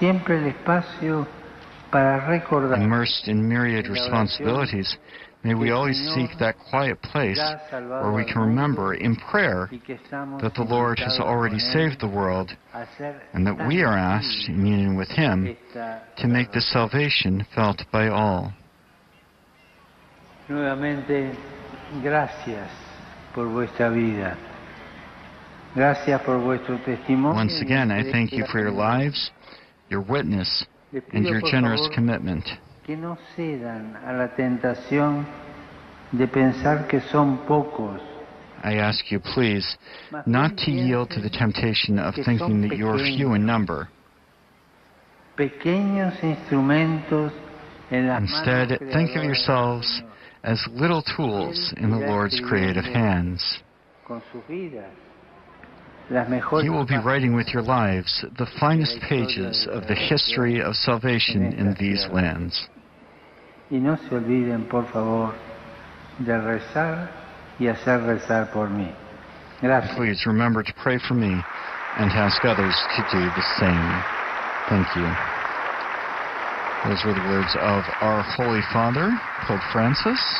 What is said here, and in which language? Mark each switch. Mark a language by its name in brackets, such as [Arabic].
[English] Immersed in myriad responsibilities, may we always seek that quiet place where we can remember in prayer that the Lord has already saved the world and that we are asked, in union with Him, to make this salvation felt by all. [Spanish] Nuevamente, gracias por vuestra vida. Gracias por vuestro testimonio. [English] Once again, I thank you for your lives, your witness,and your generous commitment. [Spanish] Que no cedan a la tentación de pensar que son pocos. [English] I ask you, please, not to yield to the temptation of thinking that you are few in number. [Spanish] Pequeños instrumentos en las manos. [English] Instead, think of yourselves as little tools in the Lord's creative hands. [Spanish] Con sus vidas. [English] He will be writing with your lives the finest pages of the history of salvation in these lands. [Spanish] Y no se olviden, por favor, de rezar y hacer rezar por mí. Gracias. [English] Please remember to pray for me and ask others to do the same. Thank you. Those were the words of our Holy Father, Pope Francis.